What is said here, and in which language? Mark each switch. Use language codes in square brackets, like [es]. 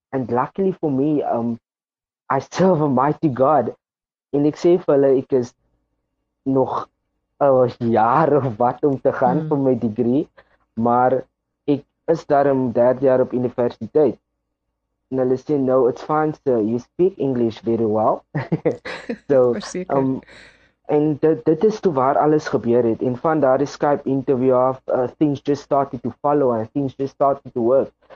[en] And luckily for me, I serve a mighty God. [af] En ek sê vir hulle, ek is nog 'n jaar of wat om te gaan vir my degree. Maar ek is daarom derde jaar op universiteit. En hulle sê, [en] no, it's fine sir, you speak English very well. [af] So, en dit is toe waar alles gebeur het. En van daardie Skype interview af, [en] things just started to follow and things just started to work.